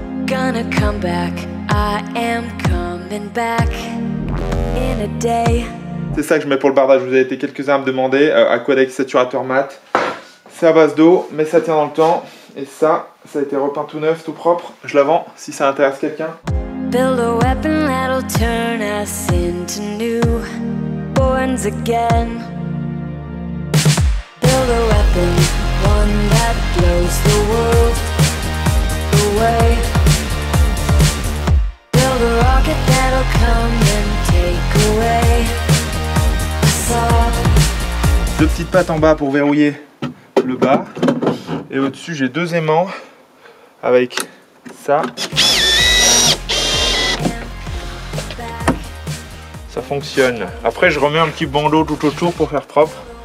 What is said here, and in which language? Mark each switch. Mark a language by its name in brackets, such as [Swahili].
[English] gonna come back. I am coming back in a day. [French] C'est ça que je mets pour le bardage. Vous avez été quelques-uns à me demander Aquadec saturateur mat. C'est à base d'eau, mais ça tient dans le temps. Et ça, ça a été repeint tout neuf, tout propre. Je la vends si ça intéresse quelqu'un. [English] Build a weapon that'll turn us into new borns again. Build a weapon, one that blows the world away. Build a rocket that'll come and take away. [French] Deux petites pattes en bas pour verrouiller le bas. Et au-dessus, j'ai deux aimants avec ça. Ça fonctionne. Après, je remets un petit bandeau tout autour pour faire propre.